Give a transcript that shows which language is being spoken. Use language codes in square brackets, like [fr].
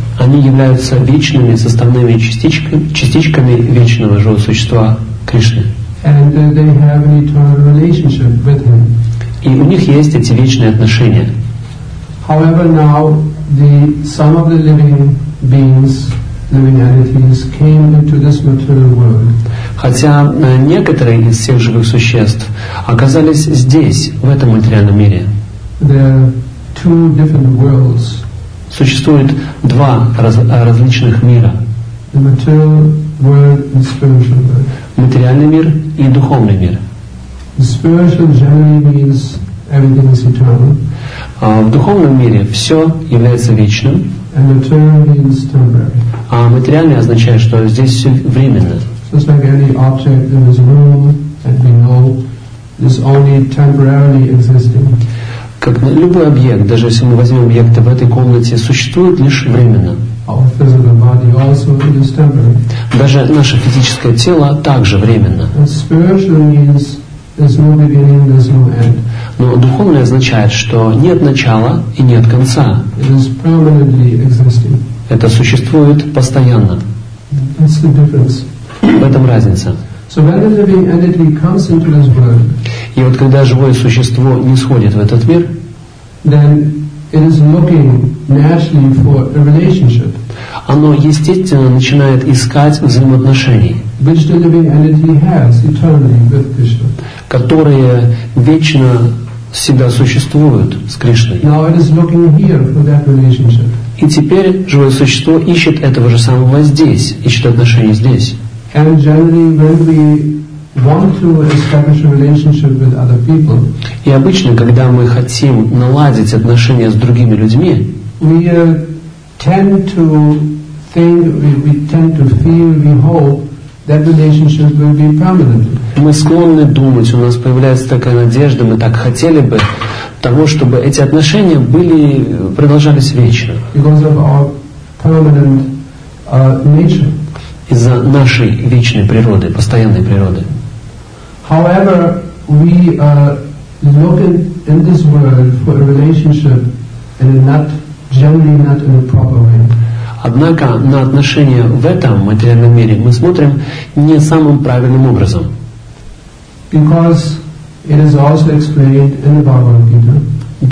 [ru] Они являются вечными составными частичками вечного живого существа Кришны. [en] And they have an eternal relationship with him. [ru] И у них есть эти вечные отношения. [en] However, now the some of the living beings, living entities, came into this material world. [ru] Хотя некоторые из всех живых существ оказались здесь, в этом материальном мире. [en] There are two different worlds. [ru] Существует два различных мира. [en] The material world and spiritual world. [ru] Материальный мир и духовный мир. [en] The spiritual generally means everything is eternal. [ru] В духовном мире все является вечным. [en] And the material means temporary. [ru] А материальный означает, что здесь все временно. [en] So it's like any object in this room that we know is only temporarily existing. [ru] Как любой объект, даже если мы возьмем объекты в этой комнате, существует лишь временно. [en] Our physical body also is temporary. [ru] Даже наше физическое тело также временно. [en] And spiritual means there's no beginning, there's no end. [ru] Но духовное означает, что нет начала и нет конца. [en] It is permanently existing. [ru] Это существует постоянно. [en] That's the difference. [ru] В этом разница. [en] So when the living entity comes into this world, [ru] и вот когда живое существо нисходит в этот мир, [en] then it is looking naturally for a relationship. [ru] Оно естественно начинает искать взаимоотношений, [en] which the living entity has eternally with Krishna. [ru] Которые вечно всегда существуют с Кришной. [en] Now it is looking here for that relationship. [ru] И теперь живое существо ищет этого же самого здесь, ищет отношения здесь. [en] And generally, when we want to establish a relationship with other people, [ru] и обычно, когда мы хотим наладить отношения с другими людьми, [en] we tend to feel, we hope that relationship will be permanent. [ru] Мы склонны думать, у нас появляется такая надежда, мы так хотели бы того, чтобы эти отношения были продолжались вечно. [en] Because of our permanent nature. [ru] Из-за нашей вечной природы, постоянной природы. [en] However, we look in this world for a relationship and not generally not in a proper way. [ru] Однако на отношения в этом материальном мире мы смотрим не самым правильным образом. [en] Because it is also explained in the Bhagavad Gita.